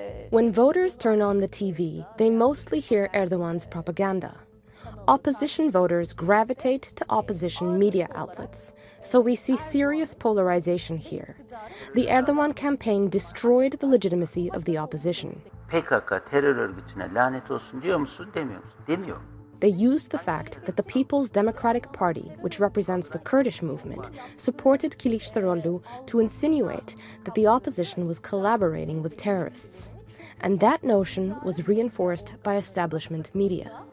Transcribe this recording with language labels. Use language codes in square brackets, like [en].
[en] When voters turn on the TV, they mostly hear Erdogan's propaganda. Opposition voters gravitate to opposition media outlets, so we see serious polarization here. The Erdogan campaign destroyed the legitimacy of the opposition. [tr] PKK terör örgütüne lanet olsun diyor musun, demiyor musun? Demiyor. [en] They used the fact that the People's Democratic Party, which represents the Kurdish movement, supported Kılıçdaroğlu to insinuate that the opposition was collaborating with terrorists. And that notion was reinforced by establishment media.